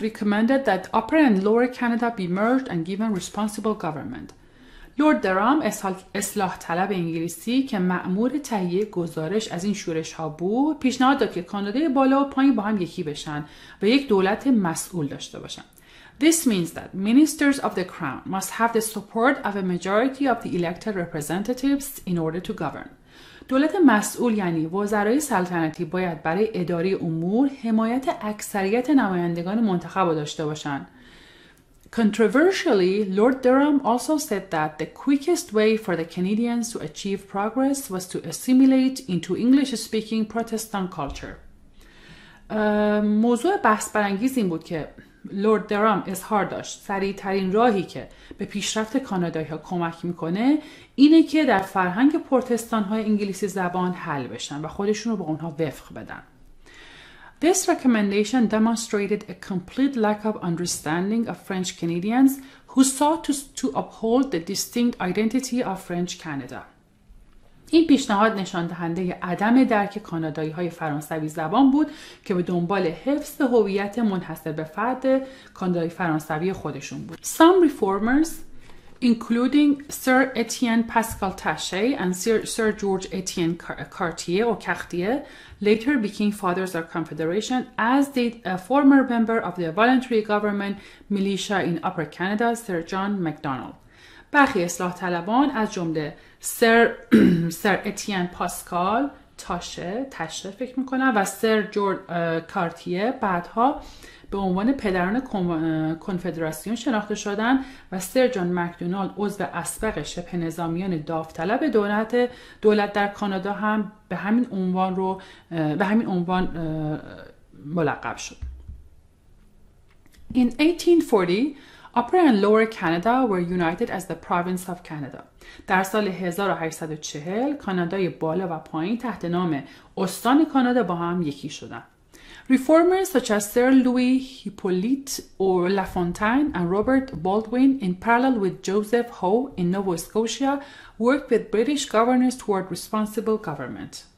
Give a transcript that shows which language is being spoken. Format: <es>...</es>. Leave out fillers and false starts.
<en>Recommended that Upper and Lower Canada be merged and given responsible government.</en> <fa>Lord Durham, اصلاح طلب انگلیسی که مأمور تهیه گزارش از این شورش ها بود، پیشنهاد داد که کانادای بالا و پایین با هم یکی بشن و یک دولت مسئول داشته باشن.</fa> <en>This means that ministers of the crown must have the support of a majority of the elected representatives in order to govern.</en> <fa>دولت مسئول یعنی وزرای سلطنتی باید برای اداره امور حمایت اکثریت نمایندگان منتخب داشته باشند.</fa> <en>Controversially, Lord Durham also said that the quickest way for the Canadians to achieve progress was to assimilate into English-speaking Protestant culture.</en> <fa>موضوع بحث برانگیز این بود که لورد درام اظهار داشت سریع ترین راهی که به پیشرفت کانادایی ها کمک میکنه اینه که در فرهنگ پرتستان های انگلیسی زبان حل بشن و خودشون رو به اونها وفق بدن.</fa> <en>This recommendation demonstrated a complete lack of understanding of French Canadians who sought to uphold the distinct identity of French Canada.</en> <fa>این پیشنهاد نشان دهنده عدم درک کانادایی های فرانسوی زبان بود که به دنبال حفظ هویت منحصر به فرد کانادایی فرانسوی خودشون بود.</fa> <en>Some reformers including Sir Etienne Pascal Taché and Sir George Etienne Cartier later became fathers of confederation as did a former member of the voluntary government militia in Upper Canada Sir John Macdonald.</en> <fa>برخی اصلاح طلبان از جمله سر اتین پاسکال، تا تاشه فکر میکنم و سر جورج کارتیه بعدها به عنوان پدران کنفدراسیون شناخته شدن و سر جان مکدونالد عضو اسبق شبه نظامیان داوطلب دولت در کانادا هم به همین عنوان ملقب شد.</fa> <en>In 1840, Upper and Lower Canada were united as the province of Canada.</en> <fa>در سال 1840 کانادای بالا و پایین تحت نام استان کانادا با هم یکی شدند.</fa> <en>Reformers such as Sir Louis Hippolyte or Lafontaine and Robert Baldwin, in parallel with Joseph Howe in Nova Scotia, worked with British governors toward responsible government.</en>